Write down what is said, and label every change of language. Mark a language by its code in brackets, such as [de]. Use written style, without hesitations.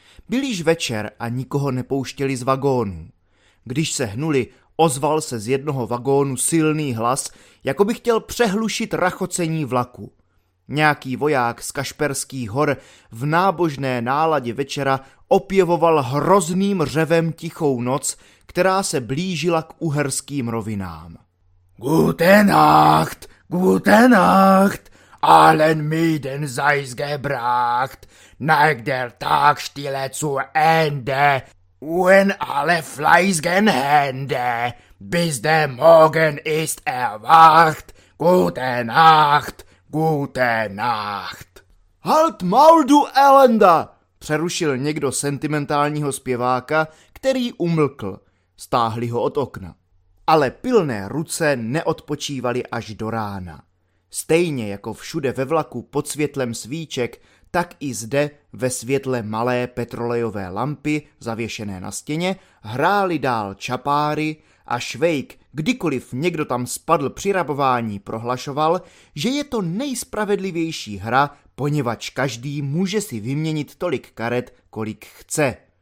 [cs] Byl již večer a nikoho nepouštěli z vagónu. Když se hnuli, ozval se z jednoho vagónu silný hlas, jako by chtěl přehlušit rachocení vlaku. Nějaký voják z Kašperských hor v nábožné náladě večera opěvoval hrozným řevem tichou noc, která se blížila k uherským rovinám. [de] Gute Nacht, gute Nacht, allen müden seis gebracht, neigt der Tag stille zu Ende, und alle fleißigen Hände, bis der Morgen ist erwacht, gute Nacht, gute Nacht. Halt Maul, du Elenda, [cs] přerušil někdo sentimentálního zpěváka, který umlkl. Stáhli ho od okna. Ale pilné ruce neodpočívaly až do rána. Stejně jako všude ve vlaku pod světlem svíček, tak i zde ve světle malé petrolejové lampy zavěšené na stěně hráli dál čapáry a Švejk, kdykoliv někdo tam spadl při rabování, prohlašoval, že je to nejspravedlivější hra, poněvadž každý může si vyměnit tolik karet, kolik chce.